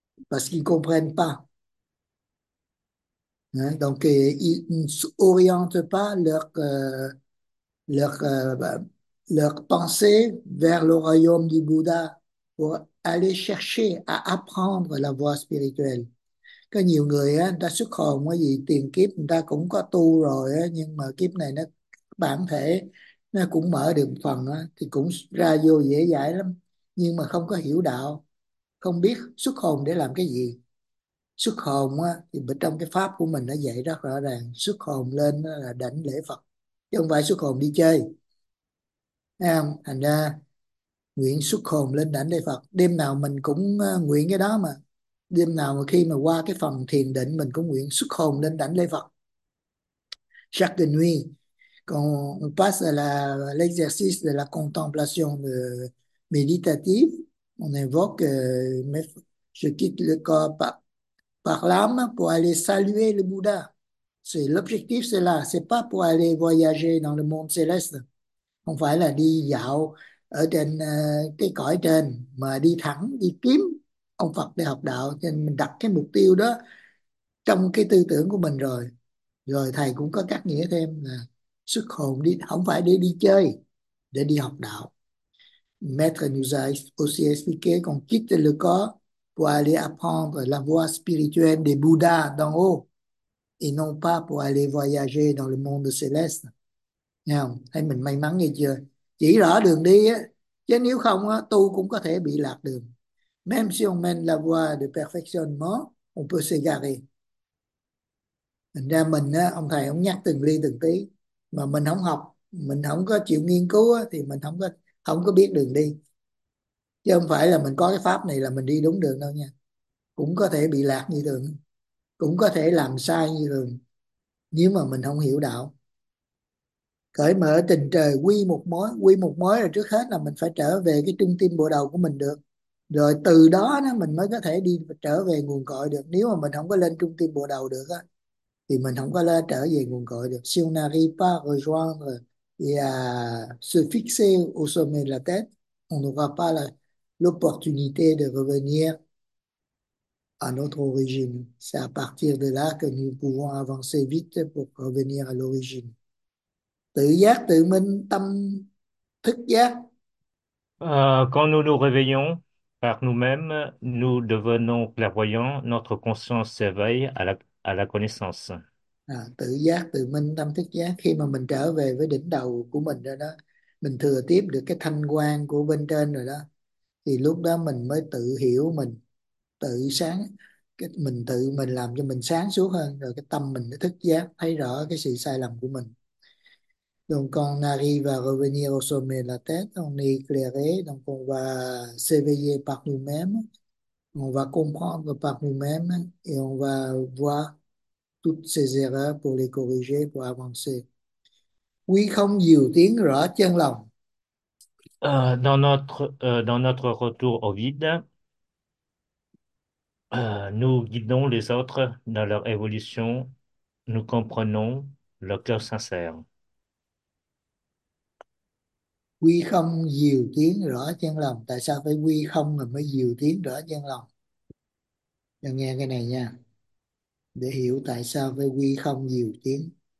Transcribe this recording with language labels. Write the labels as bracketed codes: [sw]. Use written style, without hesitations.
[fr] Parce qu'ils ne comprennent pas. Hein? Donc, ils n'orientent pas leur pensée vers le royaume du Bouddha pour aller chercher à apprendre la voie spirituelle. [vi] Có nhiều người á, ta xuất hồn cái gì tiền kiếp người ta cũng có tu rồi á, nhưng mà kiếp này nó bản thể nó cũng mở được phần á, thì cũng ra vô dễ dãi lắm nhưng mà không có hiểu đạo. Không biết xuất hồn để làm cái gì. Xuất hồn á, thì trong cái pháp của mình nó dạy rất rõ ràng. Xuất hồn lên là đảnh lễ Phật. Chứ không phải xuất hồn đi chơi. Thấy không? Thành ra nguyện xuất hồn lên đảnh lễ Phật. Đêm nào mình cũng nguyện cái đó mà. Đêm nào mà khi mà qua cái phần thiền định mình cũng nguyện xuất hồn lên đảnh lễ Phật. [fr] Chaque nuit. Quand on passe à l'exercice de la contemplation méditative, On invoque, mais je quitte le corps par l'âme pour aller saluer le Bouddha. C'est l'objectif, c'est là. C'est pas pour aller voyager dans le monde céleste. On va aller [vi] dạo ở trên cái cõi trên, mà đi thẳng đi kiếm ông Phật để học đạo. Nên mình đặt cái mục tiêu đó trong cái tư tưởng của mình rồi. Rồi thầy cũng có cắt nghĩa thêm là xuất hồn đi, không phải để đi chơi, để đi học đạo. [fr] Maître nous a aussi expliqué qu'on quitte le corps pour aller apprendre la voie spirituelle des Bouddhas d'en haut et non pas pour aller voyager dans le monde céleste. [vi] Nào, thấy mình may mắn nghe chưa? Chỉ rõ đường đi á, chứ nếu không á, tu cũng có thể bị lạc đường. [fr] Même si on mène la voie de perfectionnement, on peut s'égarer. [vi] Thành ra mình á, ông thầy ông nhắc từng ly từng tí, mà mình không học, mình không có chịu nghiên cứu á, thì mình không có biết đường đi. Chứ không phải là mình có cái pháp này là mình đi đúng đường đâu nha. Cũng có thể bị lạc như thường, cũng có thể làm sai như thường, nếu mà mình không hiểu đạo. Cởi mở tình trời, quy một mối là trước hết là mình phải trở về cái trung tâm bộ đầu của mình được. Rồi từ đó mình mới có thể đi trở về nguồn cội được. Nếu mà mình không có lên trung tâm bộ đầu được thì mình không có lên trở về nguồn cội được. [fr] Si on n'arrive pas rejoindre et à se fixer au sommet de la tête, on n'aura pas l'opportunité de revenir à notre origine. C'est à partir de là que nous pouvons avancer vite pour revenir à l'origine. [vi] Tự giác tự minh, tâm thức giác. [fr] Quand nous nous réveillons par nous-mêmes, nous devenons clairvoyants, notre conscience s'éveille à la connaissance. [vi] À, tự giác tự minh, tâm thức giác. Khi mà mình trở về với đỉnh đầu của mình rồi đó, mình thừa tiếp được cái thanh quang của bên trên rồi đó, thì lúc đó mình mới tự hiểu mình, tự sáng, cái mình tự mình làm cho mình sáng suốt hơn, rồi cái tâm mình nó thức giác, thấy rõ cái sự sai lầm của mình. [fr] Donc, on arrive à revenir au sommet de la tête, on est éclairé, donc on va s'éveiller par nous-mêmes, on va comprendre par nous-mêmes et on va voir toutes ces erreurs pour les corriger, pour avancer. Oui, [vi] không nhiều tiếng rõ chân lòng. [fr] Dans notre retour au vide, nous guidons les autres dans leur évolution, nous comprenons leur cœur sincère. [vi] Quy không nhiều tiếng rõ chân lòng. Tại sao phải quy không mà mới nhiều tiếng rõ chân lòng? Cho nghe cái này nha, để hiểu tại sao phải quy không nhiều tiếng.